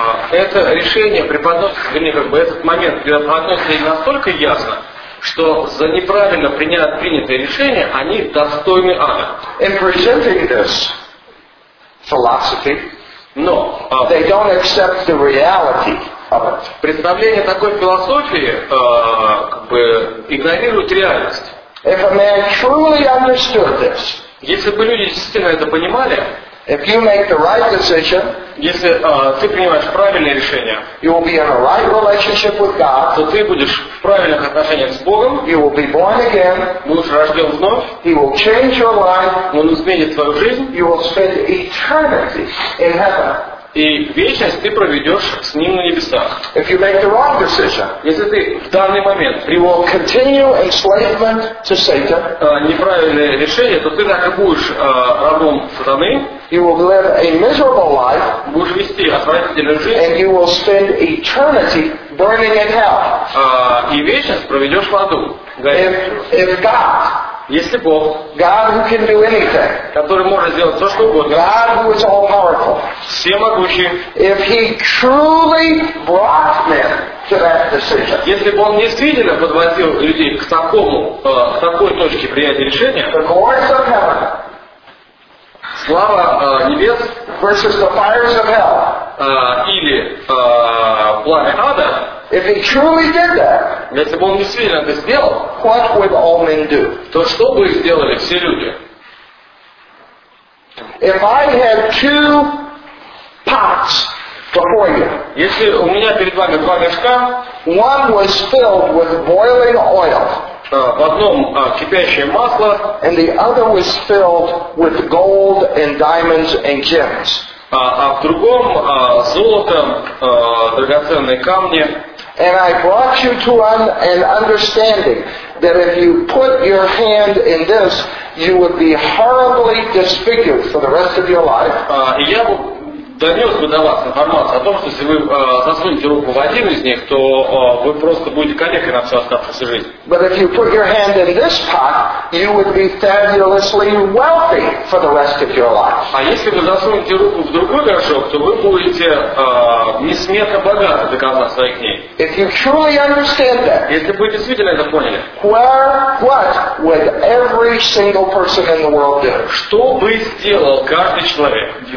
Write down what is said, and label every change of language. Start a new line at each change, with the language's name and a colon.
Russian: Это решение преподносится, вернее, как бы этот момент преподносится настолько ясно, что за неправильно принятое решение они достойны ада.
English: In presenting this philosophy, no, they don't accept the reality.
Russian: Представление такой философии как бы игнорирует реальность.
English: If a man truly understood this,
Russian: если бы люди действительно это понимали,
English: If you make the right decision,
Russian: если ты принимаешь правильное решение,
English: you will be in a right relationship with God,
Russian: то ты будешь в правильных отношениях с Богом,
English: you will be born again,
Russian: будешь рожден вновь,
English: He will change your life,
Russian: Он изменит твою жизнь,
English: you will spend eternity in heaven.
Russian: И вечность ты проведешь с Ним на небесах.
English: If you make the wrong decision,
Russian: если ты в данный момент
English: will continue enslavement to Satan,
Russian: неправильное решение, то ты так и будешь рабом сатаны,
English: you will live a miserable life,
Russian: будешь вести отвратительную жизнь,
English: and you will spend eternity burning in hell.
Russian: И вечность проведешь в аду.
English: If God,
Russian: если Бог,
English: God who can do anything,
Russian: который может сделать все, что угодно,
English: God who is all powerful,
Russian: всемогущий,
English: if He truly brought men to that decision,
Russian: если бы Он действительно подводил людей к такому, к такой точке принятия решения,
English: the glories of heaven,
Russian: слава небес,
English: versus the fires of hell,
Russian: или пламя ада,
English: if He truly did that,
Russian: если бы Он действительно это сделал,
English: what would all men do?
Russian: То что бы сделали все люди?
English: If I had two pots before you,
Russian: если у меня перед вами два мешка,
English: one was filled with boiling oil,
Russian: в одном кипящее масло,
English: and the other was filled with gold and diamonds and gems,
Russian: а в другом золотом, драгоценные камни.
English: And I brought you to an understanding that if you put your hand in this, you would be horribly disfigured for the rest of your life.
Russian: Я донес бы до вас информацию о том, что если вы засунете руку в один из них, то вы просто будете калекой на всю оставшуюся жизнь.
English: But if you put your hand in this pot, you would be fabulously wealthy for the rest of your life.
Russian: А если вы засунете руку в другой горшок, то вы будете несметно богаты до конца своих дней.
English: If you truly understand that,
Russian: если вы действительно это поняли,
English: what would every single person in the world do?
Russian: Что бы сделал каждый человек?